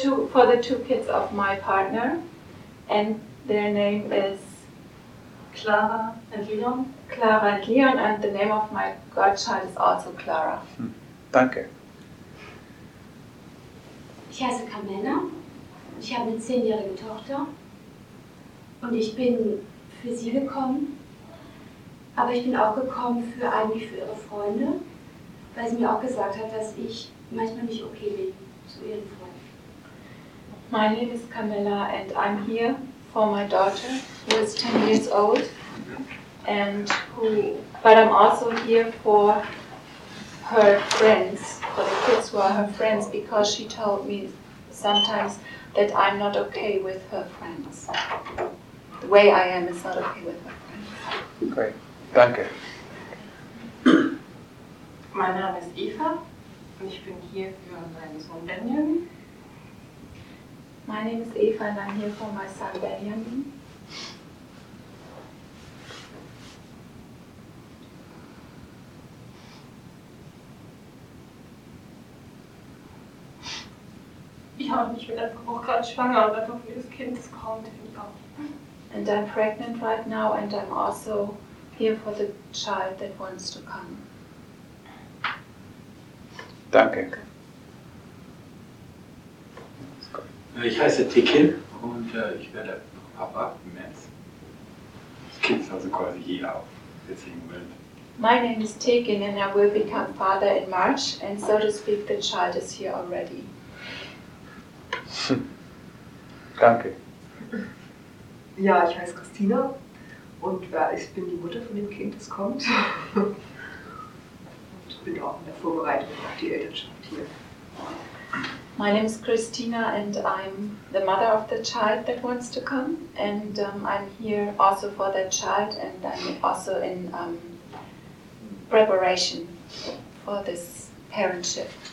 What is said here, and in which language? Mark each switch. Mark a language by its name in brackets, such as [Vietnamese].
[English] For the two kids of my partner, and their name is Clara and Leon, and the name of my godchild is also Clara. [German] Danke. Ich heiße Carmena, ich habe eine 10-jährige Tochter und ich bin für sie gekommen, aber ich bin auch gekommen für eigentlich für ihre Freunde, weil sie mir auch gesagt hat, dass ich manchmal nicht okay bin zu ihren Freunden. [English] My name is Carmela and I'm here for my daughter, who is 10 years old, and who, but I'm also here for her friends, for the kids who are her friends, because she told me sometimes that I'm not okay with her friends. The way I am is not okay with her friends. Great, danke. [German] Mein Name ist Eva, und ich bin hier für meinen Sohn Benjamin. [English] My name is Eva and I'm here for my son Benjamin. [German] Ja, und ich bin einfach auch gerade schwanger und einfach wie das Kind kommt, finde ich auch. [English] And I'm pregnant right now and I'm also here for the child that wants to come. [German] Danke. Ich heiße Tiki und ich werde Papa im März. Das Kind ist also quasi hier auf jetzigen Moment. [English] My name is Tiki and I will become father in March and so to speak the child is here already. [German] Danke. Ja, ich heiße Christina und ich bin die Mutter von dem Kind, das kommt. Und bin auch in der Vorbereitung auf die Elternschaft hier. [English] My name is Christina and I'm the mother of the child that wants to come and I'm here also for that child and I'm also in preparation for this parentship.